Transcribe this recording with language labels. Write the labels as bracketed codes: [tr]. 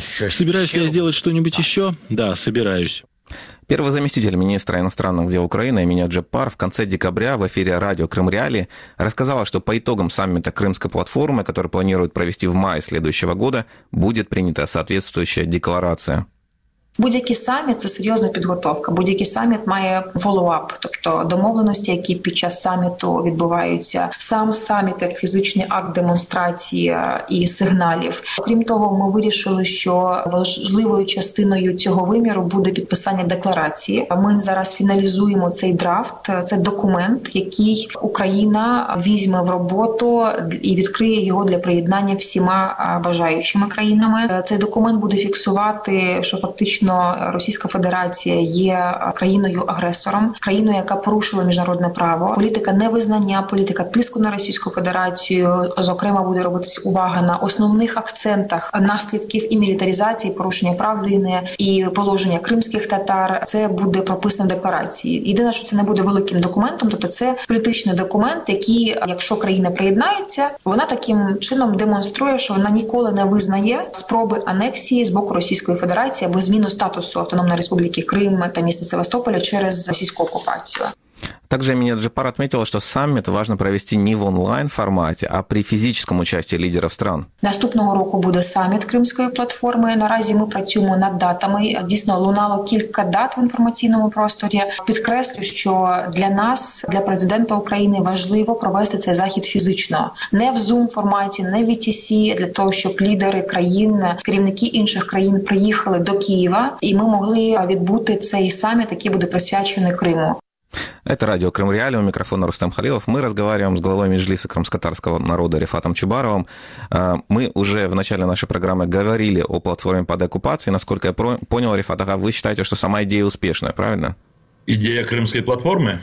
[ru] Собираюсь ли я сделать что-нибудь еще? Да, собираюсь. Первый заместитель министра иностранных дел Украины имени Джепар в конце декабря в эфире радио «Крым Реалии» рассказала, что по итогам саммита Крымской платформы, который планируют провести в мае следующего года, будет принята соответствующая декларация. [uk] Будь-який саміт – це серйозна підготовка. Будь-який саміт має follow-up, тобто домовленості, які під час саміту відбуваються. Сам саміт як фізичний акт демонстрації і сигналів. Окрім того, ми вирішили, що важливою частиною цього виміру буде підписання декларації. Ми зараз фіналізуємо цей драфт, це документ, який Україна візьме в роботу і відкриє його для приєднання всіма бажаючими країнами. Цей документ буде фіксувати, що фактично Російська Федерація є країною-агресором, країною, яка порушила міжнародне право. Політика невизнання, політика тиску на Російську Федерацію, зокрема, буде робитись увага на основних акцентах наслідків і мілітаризації, порушення прав людини і положення кримських татар. Це буде прописано в декларації. Єдине, що це не буде великим документом, тобто це політичний документ, який, якщо країна приєднається, вона таким чином демонструє, що вона ніколи не визнає спроби анексії з боку Російської Федерації або зміни статусу [ru] Автономной Республики Крым и [uk] міста Севастополя через [ru] российскую оккупацию. Также Эмине Джепар отметила, что саммит важно провести не в онлайн-формате, а при физическом участии лидеров стран. [uk] Наступного року буде саміт Кримської платформи. Наразі ми працюємо над датами. Дійсно, лунало кілька дат в інформаційному просторі. Підкреслю, що для нас, для президента України, важливо провести цей захід фізично. Не в Zoom-форматі, не в ETC, для того, щоб лідери країн, керівники інших країн приїхали до Києва, і ми могли відбути цей саміт, який буде присвячений Криму. [ru] Это радио «Крым Реалии», у микрофона Рустам Халилов. Мы разговариваем с главой Меджлиса крымско-татарского народа Рифатом Чубаровым. Мы уже в начале нашей программы говорили о платформе под оккупацией. Насколько я понял, Рифат, вы считаете, что сама идея успешная, правильно? Идея Крымской платформы?